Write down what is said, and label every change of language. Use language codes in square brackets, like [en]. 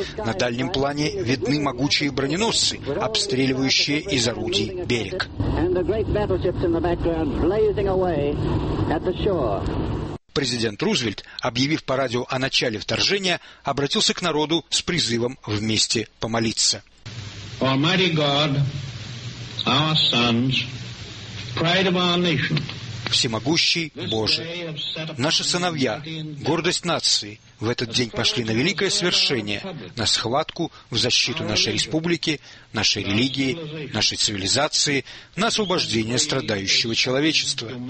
[ru] На дальнем плане видны могучие броненосцы, обстреливающие из орудий берег. Президент Рузвельт, объявив по радио о начале вторжения, обратился к народу с призывом вместе помолиться. [en] Almighty God, our sons, pride of our nation. [ru] Всемогущий Боже, наши сыновья, гордость нации, в этот день пошли на великое свершение, на схватку в защиту нашей республики, нашей религии, нашей цивилизации, на освобождение страдающего человечества.